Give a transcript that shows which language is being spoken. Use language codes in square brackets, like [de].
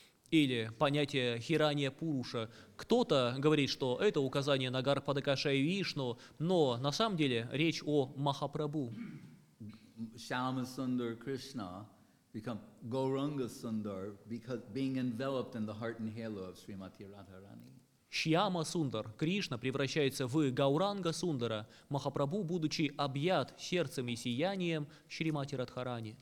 [ru] Или понятие Хиранья Пуруша. Кто-то говорит, что это указание на Гарбхадакшай Вишну, но на самом деле речь о Махапрабху. [en] Shyamasundar Krishna become Gaurangasundar because being enveloped in the heart and halo of Srimati Radharani. [ru] Шьяма Сундар, Кришна, превращается в Гауранга Сундара, Махапрабху, будучи объят сердцем и сиянием Шримати Радхарани.